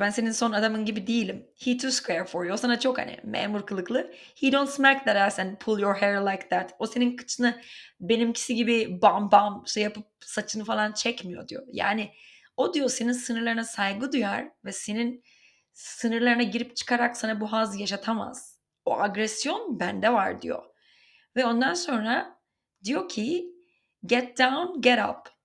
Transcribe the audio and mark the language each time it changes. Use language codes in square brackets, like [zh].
[tr] Ben senin son adamın gibi değilim. [en] He too square for you. [tr] O sana çok hani memur kılıklı. [en] He don't smack that ass and pull your hair like that. [tr] O senin kıçını benimkisi gibi bam bam şey yapıp saçını falan çekmiyor diyor. Yani o diyor senin sınırlarına saygı duyar ve senin sınırlarına girip çıkarak sana bu haz yaşatamaz. o agresyon bende var diyor. Ve ondan sonra diyor ki [en] get down, get up.